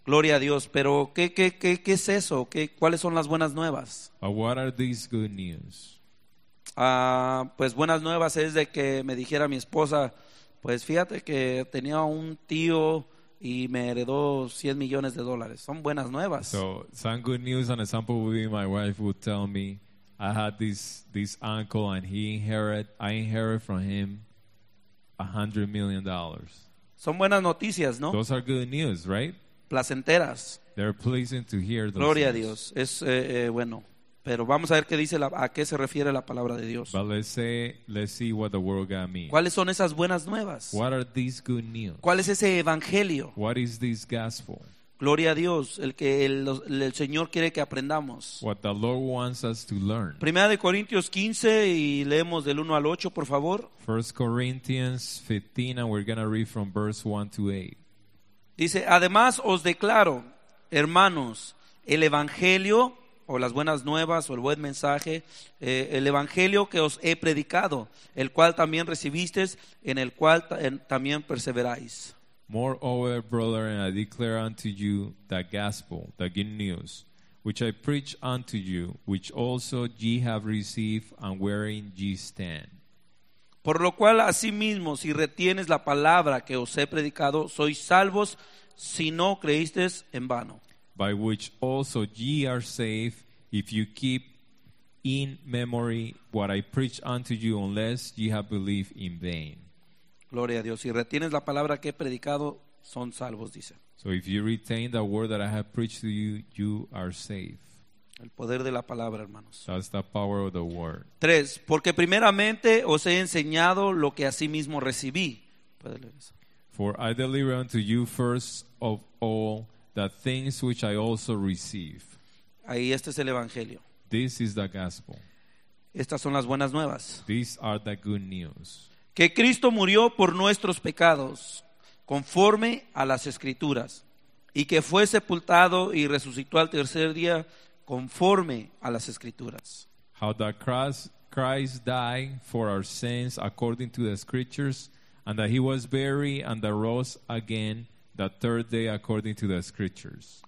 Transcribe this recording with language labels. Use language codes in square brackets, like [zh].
[es] Gloria a Dios. Pero qué es eso? ¿Cuáles son las buenas nuevas? [en] What are these good news? [es] Pues buenas nuevas es de que me dijera mi esposa, pues fíjate que tenía un tío y me heredó $100 million. Son buenas nuevas. [en] So some good news, an example would be my wife would tell me, I had this uncle and I inherited from him $100 million. [es] Son buenas noticias, ¿no? [en] Those are good news, right? [es] Placenteras. [en] They're pleasing to hear those. [es] Gloria [en] things. [es] A Dios. Es bueno. Pero vamos a ver qué dice a qué se refiere la palabra de Dios. [en] But let's see what the word got me. [es] ¿Cuáles son esas buenas nuevas? [en] What are these good news? [es] ¿Cuál es ese evangelio? [en] What is this gospel? [es] Gloria a Dios, el que el Señor quiere que aprendamos. [en] What the Lord wants us to learn. [es] Primera de Corintios 15 y leemos del 1 al 8, por favor. [en] 1 Corinthians 15, and we're going to read from verse 1 to 8. [es] Dice, además os declaro, hermanos, el evangelio, o las buenas nuevas, o el buen mensaje, el evangelio que os he predicado, el cual también recibisteis, en el cual también perseveráis. [en] Moreover, brethren, I declare unto you the gospel, the good news, which I preach unto you, which also ye have received, and wherein ye stand. [es] Por lo cual, asimismo, si retienes la palabra que os he predicado, sois salvos, si no creísteis en vano. [en] By which also ye are saved, if you keep in memory what I preach unto you, unless ye have believed in vain. [es] Gloria a Dios. Si retienes la palabra que he predicado, son salvos, dice. [en] So if you retain the word that I have preached to you, you are saved. [es] El poder de la palabra, hermanos. [en] That's the power of the word. [es] Tres, porque primeramente os he enseñado lo que a sí mismo recibí. [en] For I deliver unto you first of all the things which I also receive. [es] Ahí este es el evangelio. [en] This is the gospel. [es] Estas son las buenas nuevas. [en] These are the good news. [es] Que Cristo murió por nuestros pecados, conforme a las escrituras, y que fue sepultado y resucitó al tercer día, conforme a las escrituras. [en] How that Christ died for our sins according to the scriptures, and that he was buried and that rose again the third day according to the scriptures.